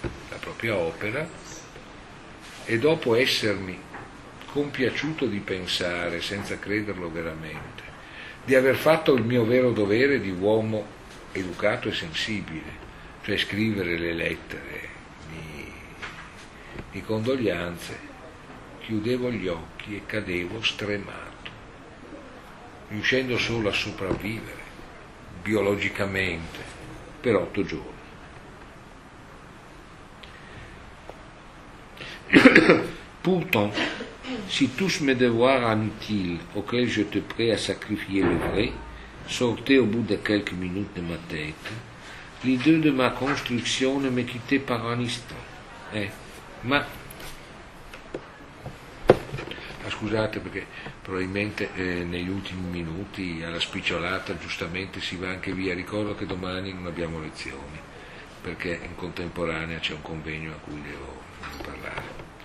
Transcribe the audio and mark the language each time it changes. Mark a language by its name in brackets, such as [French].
[Italian] la propria opera, e dopo essermi compiaciuto di pensare, senza crederlo veramente, di aver fatto il mio vero dovere di uomo educato e sensibile, cioè scrivere le lettere di condoglianze, chiudevo gli occhi e cadevo stremato, riuscendo solo a sopravvivere biologicamente per 8 giorni. [French] Pourtant, si tous mes devoirs inutiles auxquels je te prie à sacrifier le vrai sortaient au bout de quelques minutes de ma tête, l'idée de ma construction ne me quittait par un instant. [Italian] Scusate, perché probabilmente negli ultimi minuti, alla spicciolata, giustamente si va anche via. Ricordo che domani non abbiamo lezioni, perché in contemporanea c'è un convegno a cui devo parlare.